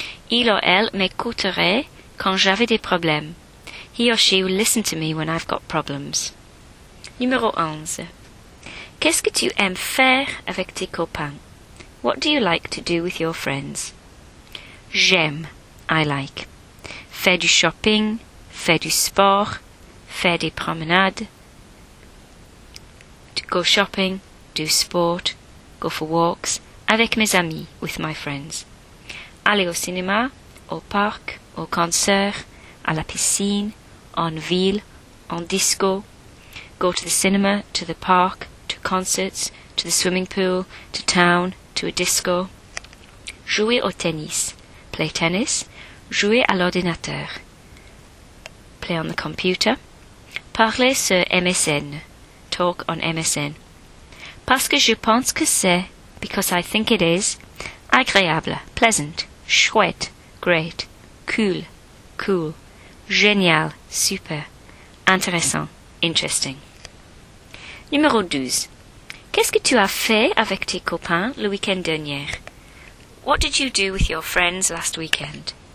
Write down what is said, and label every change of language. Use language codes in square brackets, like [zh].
[fr] Il ou elle m'écouterait quand j'avais des problèmes. [en] He or she will listen to me when I've got problems. [fr] Numéro 11. Qu'est-ce que tu aimes faire avec tes copains? [en] What do you like to do with your friends? [fr] J'aime, [en] I like. [fr] Faire du shopping, faire du sport, faire des promenades. [en] To go shopping, do sport, go for walks. [fr] Avec mes amis, [en] with my friends. [fr] Aller au cinéma, au parc, au concert, à la piscine, en ville, en disco. [en] Go to the cinema, to the park, to concerts, to the swimming pool, to town, to a disco. [fr] Jouer au tennis, [en] play tennis. [fr] Jouer à l'ordinateur, [en] play on the computer. [fr] Parler sur MSN, [en] talk on MSN. [fr] Parce que je pense que c'est, [en] because I think it is, [fr] agréable, [en] pleasant, [fr] chouette, [en] great, [fr] cool, [en] cool, [fr] génial, [en] super, [fr] intéressant, [en] interesting. [fr] Numéro 12. Qu'est-ce que tu as fait avec tes copains le week-end dernier? [en] What did you do with your friends last weekend?